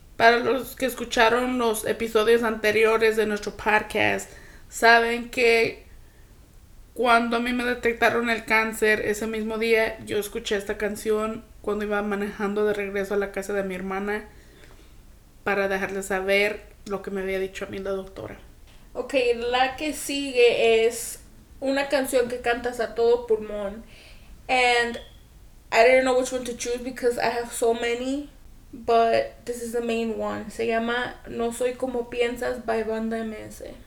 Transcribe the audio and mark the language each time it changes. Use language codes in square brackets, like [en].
[es] Para los que escucharon los episodios anteriores de nuestro podcast, saben que cuando a mí me detectaron el cáncer, ese mismo día yo escuché esta canción cuando iba manejando de regreso a la casa de mi hermana para dejarle saber lo que me había dicho a mí la doctora. Okay, la que sigue es una canción que cantas a todo pulmón. [en] And I didn't know which one to choose because I have so many, but this is the main one. [es] Se llama No Soy Como Piensas by Banda MS.